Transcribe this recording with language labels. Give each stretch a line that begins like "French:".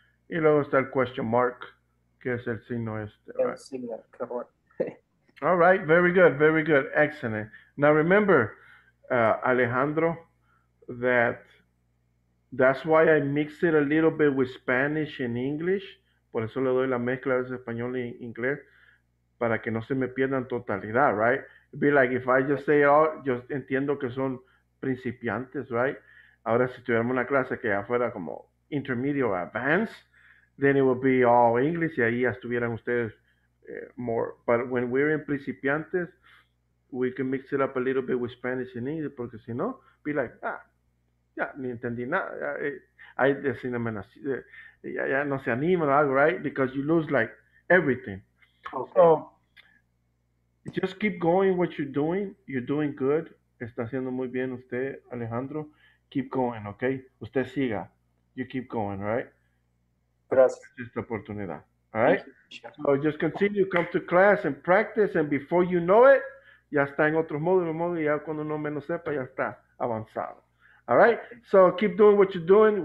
Spanish: Y luego está el question mark, que es el signo este. El right? signo, correcto.
English: All right, very good, very good. Excellent. Now remember, Alejandro, that's why I mix it a little bit with Spanish and English.
Spanish: Por eso le doy la mezcla a veces español e inglés para que no se me pierdan totalidad, right?
English: Be like, if I just say it all,
Spanish: yo entiendo que son principiantes,
English: right?
Spanish: Ahora, si tuviéramos una clase que ya fuera como intermediate or advanced,
English: then it would be all English
Spanish: y ahí ya estuvieran ustedes more.
English: But when we're in principiantes, we can mix it up a little bit with Spanish and English,
Spanish: porque si no,
English: be like,
Spanish: ni entendí nada. Ahí decíname así. Ya no se anima o algo, right?
English: Because you lose, like, everything. Okay. So, just keep going what you're doing. You're doing good.
Spanish: Está haciendo muy bien usted,
English: Alejandro. Keep going, okay?
Spanish: Usted siga.
English: You keep going, right?
Spanish: Gracias. Esta oportunidad,
English: all right? So, just continue. Come to class and practice. And before you know it,
Spanish: ya está en otro módulo. Ya cuando uno menos sepa, ya está avanzado.
English: All right, so keep doing what you're doing.